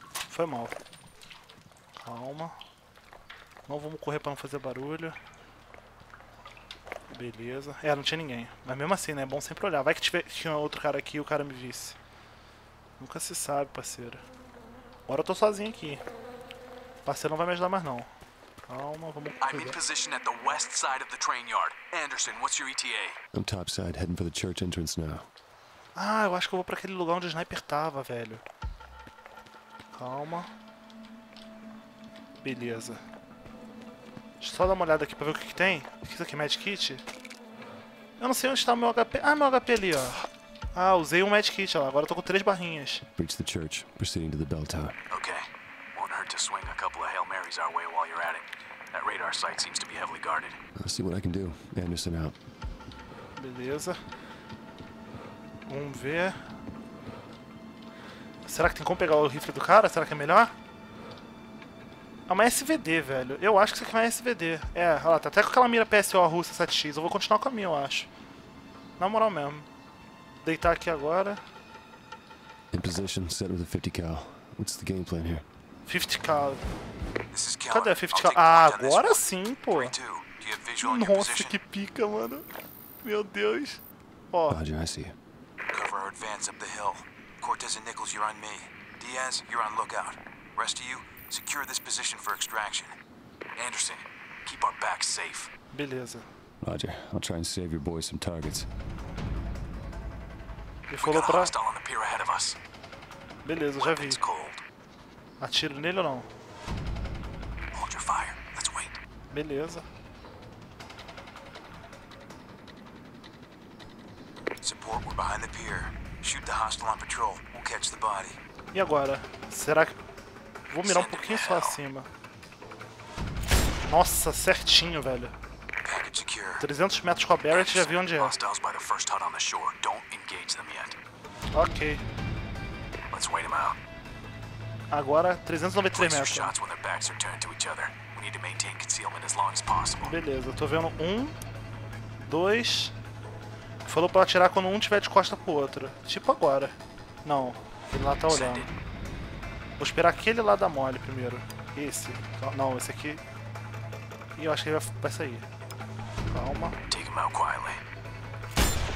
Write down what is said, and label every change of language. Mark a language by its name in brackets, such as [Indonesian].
[Portuguese] Foi mal. Calma. Não vamos correr pra não fazer barulho. Beleza. É, não tinha ninguém. Mas mesmo assim, né? É bom sempre olhar. Vai que tinha outro cara aqui e o cara me visse. Nunca se sabe, parceiro. Agora eu tô sozinho aqui. O parceiro não vai me ajudar mais não. Calma, vamos cuidar. [English] I'm in position at the west side of the train yard. Anderson, what's your ETA? I'm topside, heading for the church entrance now. [Portuguese] Ah, eu acho que eu vou pra aquele lugar onde o sniper tava, velho. Calma. Beleza. Deixa eu só dar uma olhada aqui pra ver o que tem. O que isso aqui é? Magic Kit? Eu não sei onde está o meu HP. Ah, meu HP ali, ó. Ah, usei um Magic Kit, ó. Agora eu tô com 3 barrinhas. [English] Reach the church, proceeding to the bell tower. Ok. Won't hurt to swing a couple of Hail Marys our way while you're at it. That radar site seems to be heavily guarded. I'll see what I can do. Anderson out. [Portuguese] Beleza. Vamos ver. Será que tem como pegar o rifle do cara? Será que é melhor? É uma SVD, velho. Eu acho que isso aqui é uma SVD. É, olha lá, tá até com aquela mira PSO russa 7x. Eu vou continuar com a minha, eu acho. Na moral mesmo. Deitar aqui agora. [English] In position, set with a 50 cal. What's the game plan here? [Portuguese] 50 cal. Cadê a 50 cal? Ah, agora sim, pô. Nossa, que pica, mano. Meu Deus. Ó. [English] Roger, I see. Cover our advance up the hill. Cortez and Nichols, you're on me. Diaz, you're on lookout. Rest of you, secure this position for extraction. Anderson, keep our backs safe. [Portuguese] Beleza. [English] Roger, I'll try and save your boys some targets. [Portuguese] E falou pra... [English] on the pier ahead of us. [Portuguese] Beleza, já vi. Atiro nele ou não? [English] Hold your fire. Let's wait. [Portuguese] Beleza. [English] Support, we're behind the pier. Shoot the hostile on patrol. We'll catch the body. [Portuguese] E agora? Será que... Vou mirar um pouquinho só acima. Nossa, certinho, velho. 300 metros com a Barrett, já vi onde é. [English] Hostiles by the first hut on the shore. Don't engage them yet. Ok. Let's wait them out. [Portuguese] Agora, 393 metros. [English] Place your shots when their backs are turned to each other. We need to maintain concealment as long as possible. [Portuguese] Beleza, tô vendo um, dois. Falou pra atirar quando um tiver de costa pro outro. Tipo agora. Não, ele lá tá olhando. Vou esperar aquele lá da mole primeiro. Esse. Não, esse aqui. E eu acho que ele vai sair. Calma. [English] Take him out quietly.